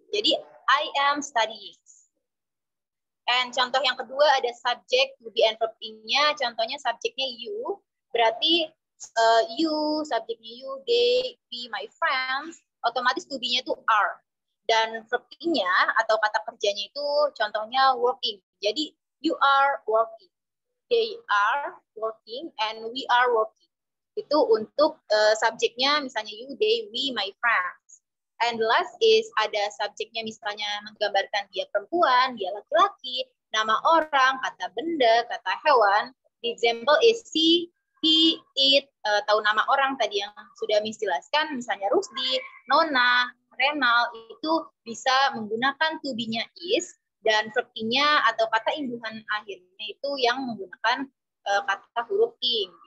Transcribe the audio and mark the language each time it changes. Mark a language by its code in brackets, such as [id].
[id] Jadi I am studying. And contoh yang kedua ada subject to be and verb-nya contohnya subjeknya you, berarti you, subjeknya you, they, we, my friends, otomatis to be-nya itu are. Dan verb-nya atau kata kerjanya itu contohnya working. [en] Jadi you are working, they are working, and we are working. [id] Itu untuk subjeknya misalnya you, they, we, my friends. And last is ada subjeknya misalnya menggambarkan dia perempuan, dia laki-laki, nama orang, kata benda, kata hewan. The example is she, he, it, atau nama orang tadi yang sudah menjelaskan misalnya Rusdi, Nona, Renal, itu bisa menggunakan to be-nya is dan verb-nya atau kata imbuhan akhirnya itu yang menggunakan kata huruf ing.